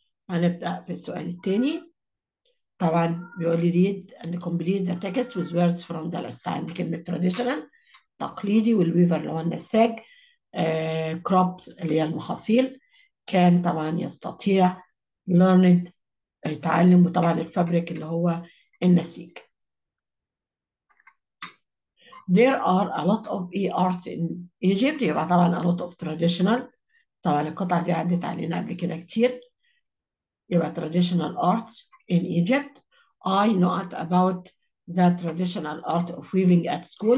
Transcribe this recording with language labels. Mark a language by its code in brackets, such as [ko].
[ar] هنبدأ في السؤال الثاني. طبعا بيقول لي [en] read and complete the text with words from the list. [ar] عندي كلمة traditional تقليدي، والويفر اللي هو النساج، crops اللي هي المحاصيل، كان طبعا يستطيع، learned يتعلم، وطبعا الفابريك اللي هو النسيج. [en] There are a lot of arts in Egypt. [ar] يبقى طبعا [en] a lot of traditional. [ar] طبعا القطع دي عدت علينا قبل كده كتير. [en] يبقى traditional arts in Egypt. I know about the traditional art of weaving at school.